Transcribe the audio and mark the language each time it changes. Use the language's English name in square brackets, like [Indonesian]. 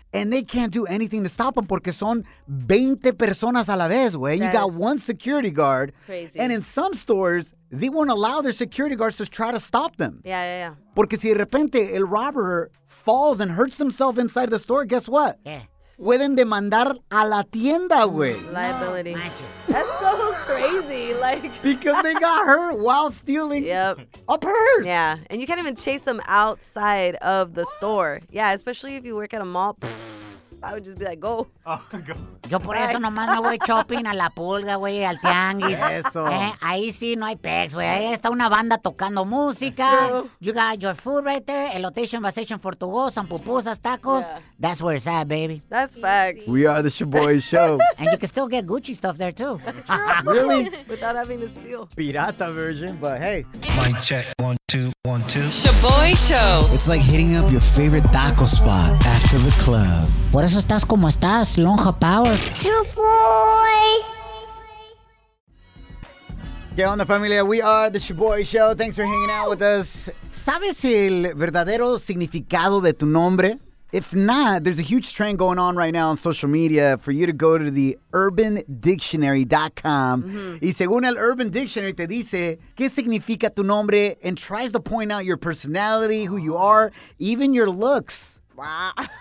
[English] And they can't do anything to stop them [Spanish] porque son 20 personas a la vez, güey. [English] You got one security guard. Crazy. And in some stores, they won't allow their security guards to try to stop them. Yeah. [Spanish] Porque si de repente el [English] robber falls and hurts himself inside the store, guess what? Yeah. [Spanish] Pueden demandar a la tienda, güey. [English] Liability. That's so crazy. Like, because they got hurt while stealing a purse. Yeah, and you can't even chase them outside of the store. Yeah, especially if you work at a mall. I would just be like, go. Oh, [Spanish] yo por eso nomás me voy shopping a la pulga, güey, al tianguis. Eso. Ahí sí no hay pecs, güey. Ahí está una banda tocando música. [English] True. You got your food right there. A location, a station for to go. Some pupusas, tacos. Yeah. That's where it's at, baby. That's facts. We are the Shaboy Show. And you can still get Gucci stuff there, too. True. Really? Without having to steal. Pirata version, but hey. Mic check. 1, 2, 1, 2. Shaboy Show. It's like hitting up your favorite taco spot after the club. [Spanish] Por eso estás como estás, Lonja Power. [English] Shaboy. [Spanish] ¿Qué onda, familia? [English] We are the Shaboy Show. Thanks for hanging out with us. [Spanish] ¿Sabes el verdadero significado de tu nombre? [English] If not, there's a huge trend going on right now on social media for you to go to the UrbanDictionary.com. Mm-hmm. [Spanish] Y según el Urban Dictionary, te dice qué significa tu nombre [English] and tries to point out your personality, who you are, even your looks. Wow.